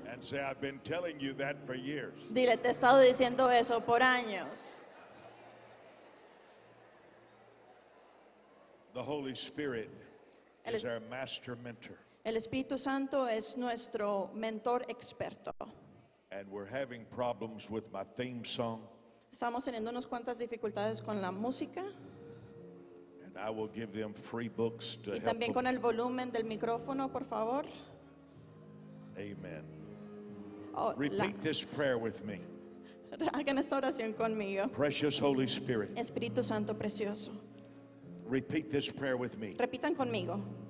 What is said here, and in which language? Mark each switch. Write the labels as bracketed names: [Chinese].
[English] And say, I've been telling you that for years. [Spanish] Dile, te he estado diciendo eso por años. [English] The Holy Spirit is our master mentor. [Spanish] El Espíritu Santo es nuestro mentor experto. [English] And we're having problems with my theme song. [Spanish] Estamos teniendo unas cuantas dificultades con la música. [English] And I will give them free books to help. [Spanish] Y también con el volumen del micrófono, por favor. [English] Amen. Oh, repeat this prayer with me. [Spanish] Hagan esta oración conmigo. [English] Precious Holy Spirit. [Spanish] Espíritu Santo precioso. [English] Repeat this prayer with me. [Spanish] Repitan conmigo.